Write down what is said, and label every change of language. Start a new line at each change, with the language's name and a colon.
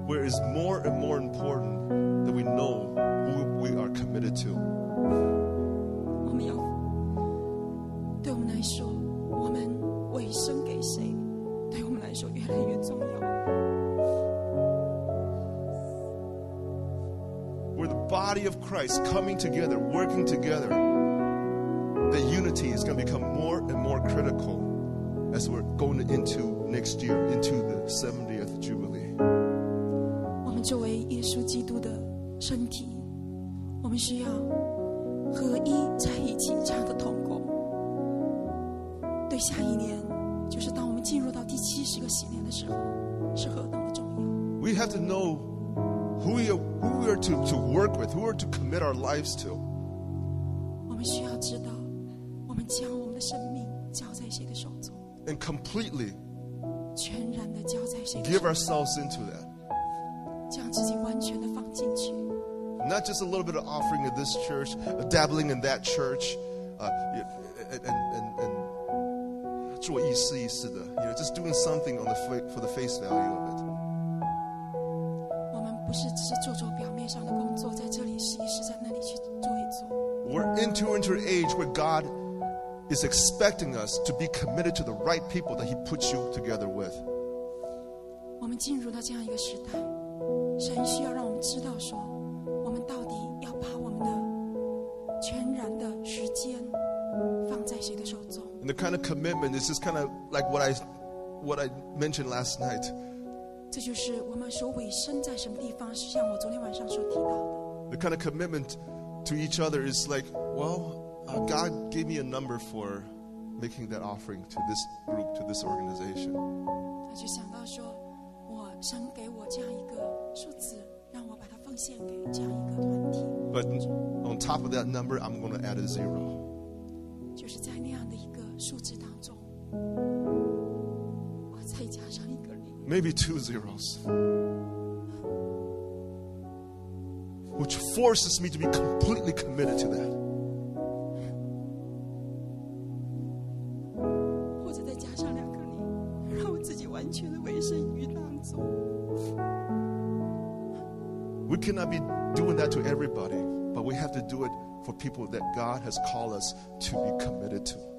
English: that we know who we are committed to.
Chinese: 我们要对我们来说，我们委身给谁，对我们来说越来越重要。
English: We're the body of Christ coming together, working together. The unity is going to become more and more critical as we're going into next year, into the 70th Jubilee.
Chinese: 我们作为耶稣基督的身体，我们需要合一在一起，这样的同工。对下一年，就是当我们进入到第七十个禧年的时候，是何等的重要。
English: We have to know who we are to work with, who we are to commit our lives to.
Chinese: 我们需要知道，我们将我们的生命交在谁的手中。
English: And completely,
Chinese: 全然的交在谁的手。
English: Give ourselves into that.
Chinese: 将自己完全的放进去。
English: Not just a little bit of offering at this church, dabbling in that church, and
Chinese: 做一丝一丝的
English: you know, just doing something on the for the face value of it.
Chinese: 我们不是只是做做表面上的工作，在这里试一试，在那里去做一做。
English: We're into an age where God is expecting us to be committed to the right people that He puts you together with.
Chinese: 我们进入到这样一个时代，神需要让我们知道说。我们到底要把我们的全然的时间放在谁的手中？
English: And the kind of commitment is just kind of like what I mentioned last night.
Chinese: 这就是我们所委身在什么地方，是像我昨天晚上所提到的。
English: The kind of commitment to each other is like, well, God gave me a number for making that offering to this group, to this organization.
Chinese: 他就想到说，我神给我这样一个数字。
English: But on top of that number, I'm going to add a zero.
Chinese: 就是在那样的一个数字当中，我再加上一个零。
English: Maybe two zeros, which forces me to be completely committed to that.
Chinese: 或者再加上两个零，让我自己完全的委身于当中。
English: We cannot be doing that to everybody, but we have to do it for people that God has called us to be committed to.